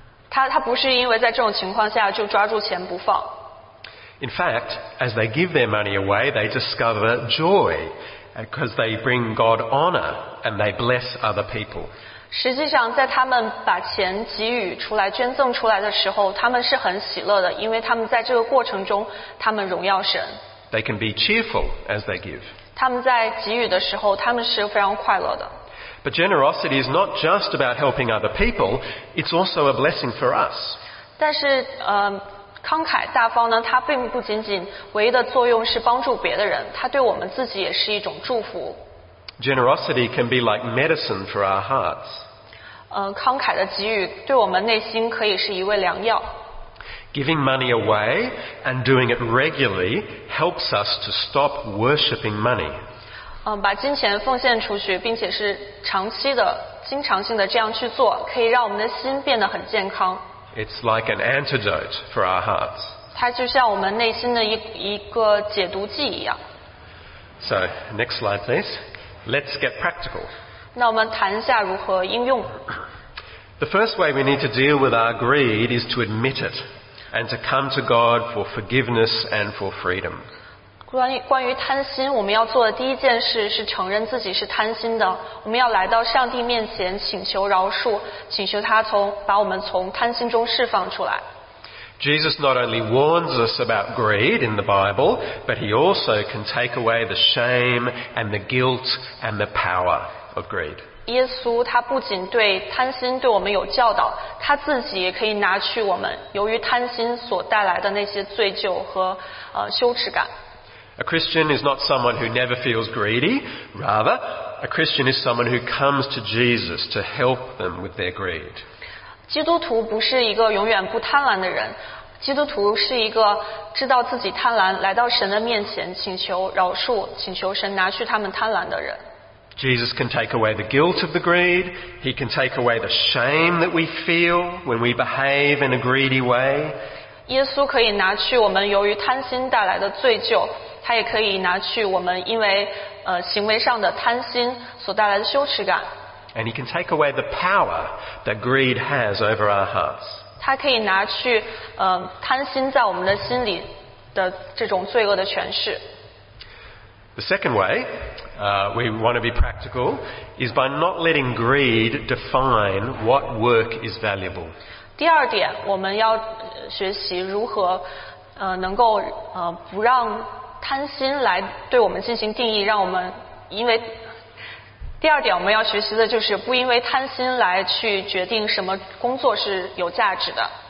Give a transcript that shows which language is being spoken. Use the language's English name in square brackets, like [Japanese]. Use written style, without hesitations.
[Chinese] 他不是因为在这种情况下就抓住钱不放。 [English] In fact, as they give their money away, they discover joy because they bring God honor and they bless other people. [Chinese] 实际上，在他们把钱给予出来、捐赠出来的时候，他们是很喜乐的，因为他们在这个过程中，他们荣耀神。 [English] They can be cheerful as they give. [Chinese] 他们在给予的时候，他们是非常快乐的。 [English] But generosity is not just about helping other people, it's also a blessing for us. [Chinese] 但是慷慨大方呢，它并不仅仅唯一的作用是帮助别的人，它对我们自己也是一种祝福。 [English] Generosity can be like medicine for our hearts. [Chinese] 慷慨的给予对我们内心可以是一味良药。 [English] Giving money away and doing it regularly helps us to stop worshipping money. [Chinese] 把金钱奉献出去，并且是长期的、经常性的这样去做，可以让我们的心变得很健康。 [English] It's like an antidote for our hearts. [Chinese] 它就像我们内心的一个解毒剂一样。 [English] So, next slide, please. Let's get practical. [Chinese] 那我们谈一下如何应用。 [English] The first way we need to deal with our greed is to admit it and to come to God for forgiveness and for freedom. [Chinese] 关于贪心，我们要做的第一件事是承认自己是贪心的。我们要来到上帝面前请求饶恕，请求他把我们从贪心中释放出来。 [English] Jesus not only warns us about greed in the Bible, but he also can take away the shame and the guilt and the power of greed. [Chinese] 耶稣他不仅对贪心对我们有教导，他自己也可以拿去我们由于贪心所带来的那些罪疚和羞耻感。 [English] A Christian is not someone who never feels greedy. Rather, a Christian is someone who comes to Jesus to help them with their greed. [Chinese] 基督徒不是一个永远不贪婪的人，基督徒是一个知道自己贪婪，来到神的面前请求饶恕，请求神拿去他们贪婪的人。 [English] Jesus can take away the guilt of the greed. He can take away the shame that we feel when we behave in a greedy way. [Chinese] 耶稣可以拿去我们由于贪心带来的罪疚，他也可以拿去我们因为行为上的贪心所带来的羞耻感。 [English] And he can take away the power that greed has over our hearts. [Chinese] 他可以拿去贪心在我们的心里的这种罪恶的权势。 [English] The second way, we want to be practical, is by not letting greed define what work is valuable. [Chinese] 第二点，我们要学习如何能够不让贪心来对我们进行定义，让我们因为第二点我们要学习的就是不因为贪心来去决定什么工作是有价值的。